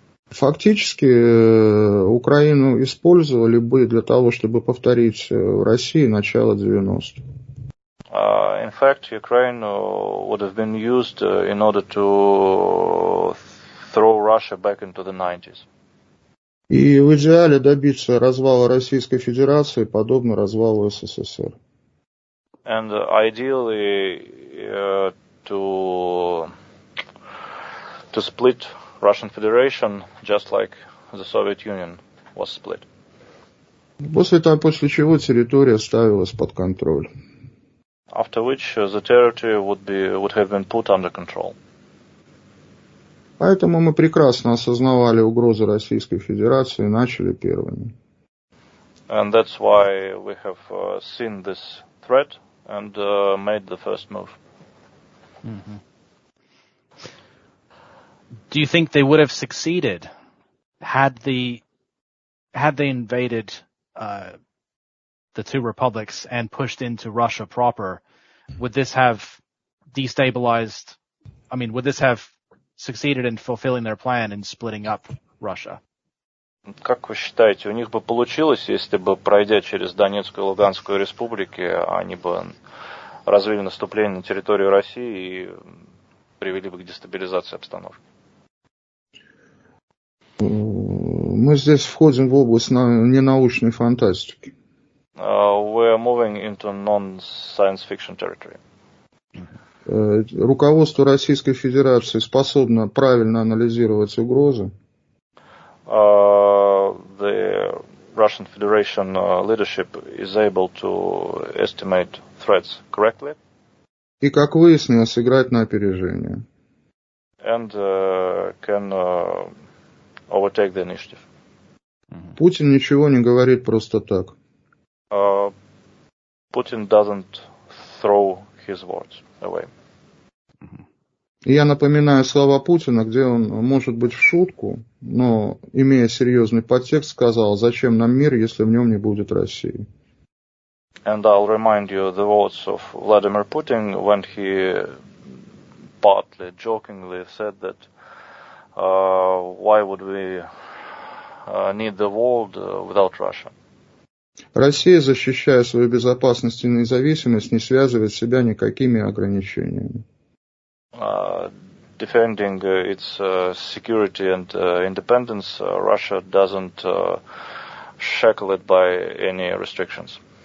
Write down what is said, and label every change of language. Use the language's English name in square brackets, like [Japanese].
[Russian] Фактически, Украину использовали бы для того, чтобы повторить в России начало 90-х. [English] In fact, Ukraine would have been used in order to throw Russia back into the 90s. [Russian] И в идеале добиться развала Российской Федерации, подобно развалу СССР. [English] And ideally to split Russian Federation, just like the Soviet Union was split. [Russian] После чего территория ставилась под контроль. [English] After which the territory would have been put under control. [Russian] Поэтому мы прекрасно осознавали угрозу Российской Федерации и начали первыми. [English] And that's why we have seen this threat and made the first move. Do you think they would have succeeded had they invaded the two republics and pushed into Russia proper? Would this have destabilized? I mean, would this have succeeded in fulfilling their plan in splitting up Russia? [Russian] Как вы считаете, у них бы получилось, если бы пройдя через Донецкую и Луганскую республики, они бы развили наступление на территорию России и привели бы к дестабилизации обстановки? Мы здесь входим в область ненаучной фантастики. [English] We're moving into non-science fiction territory. [Russian] Руководство Российской Федерации способно правильно анализировать угрозы. [English] The Russian Federation leadership is able to estimate threats correctly. [Russian] И, как выяснилось, играть на опережение. [English] And can overtake the initiative. [Russian] Путин ничего не говорит просто так. [English] Putin doesn't throw his words away. [Russian] Я напоминаю слова Путина, где он, может быть, в шутку, но, имея серьезный подтекст, сказал, зачем нам мир, если в нем не будет России. [English] And I'll remind you the words of Vladimir Putin when he partly jokingly said that why would we need the world without Russia? [Russian] Россия, защищая свою безопасность и независимость, не связывает себя никакими ограничениями. [English] Defending its security and independence, Russia doesn't shackle it by any restrictions.